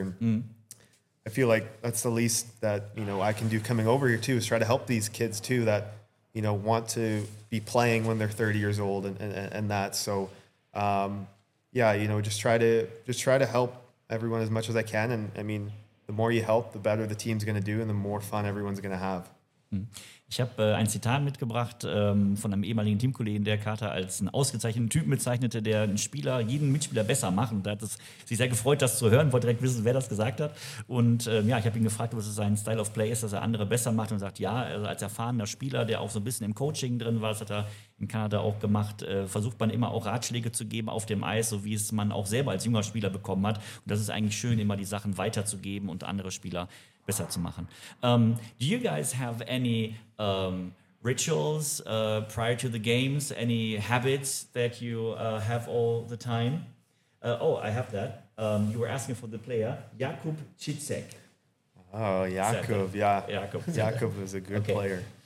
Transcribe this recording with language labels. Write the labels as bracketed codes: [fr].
[en] And I feel like that's the least that, I can do coming over here too, is try to help these kids too that, want to be playing when they're 30 years old and that. So, just try to help everyone as much as I can. And I mean, the more you help, the better the team's going to do and the more fun everyone's going to have. [de] Ich habe ein Zitat mitgebracht von einem ehemaligen Teamkollegen, der Carter als einen ausgezeichneten Typen bezeichnete, der jeden Mitspieler besser macht. Und da hat es sich sehr gefreut, das zu hören, wollte direkt wissen, wer das gesagt hat. Und ich habe ihn gefragt, was sein [en] Style of Play [de] ist, dass er andere besser macht, und sagt, ja, also als erfahrener Spieler, der auch so ein bisschen im Coaching drin war, das hat er in Kanada auch gemacht, versucht man immer auch Ratschläge zu geben auf dem Eis, so wie es man auch selber als junger Spieler bekommen hat. Und das ist eigentlich schön, immer die Sachen weiterzugeben und andere Spieler besser zu machen. [en] Do you guys have any rituals prior to the games? Any habits that you have all the time? I have that. You were asking for the player, Jakub Čicek. Oh, Jakub, yeah. Jakub is a good player.